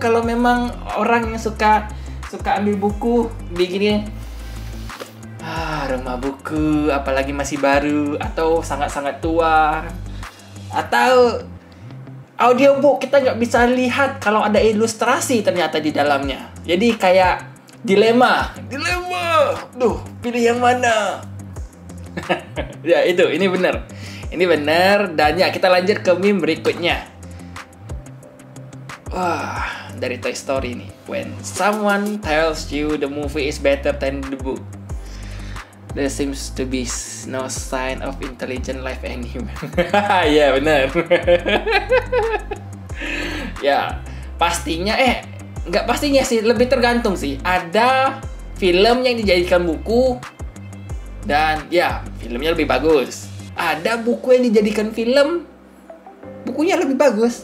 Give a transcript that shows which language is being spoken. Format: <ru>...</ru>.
<id>Kalau memang orang yang suka ambil buku begini, rumah buku, apalagi masih baru atau sangat-sangat tua, atau audiobook kita nggak bisa lihat kalau ada ilustrasi ternyata di dalamnya. Jadi kayak dilema. Duh, pilih yang mana? Ya, itu ini benar. Dan ya, kita lanjut ke meme berikutnya. Wah, dari Toy Story nih.</id> <en>When someone tells you the movie is better than the book, there seems to be no sign of intelligent life and human.</en> <id>Ya, benar. Ya, pastinya, nggak pastinya sih, lebih tergantung sih. Ada film yang dijadikan buku dan ya, filmnya lebih bagus. Ada buku yang dijadikan film, bukunya lebih bagus.</id>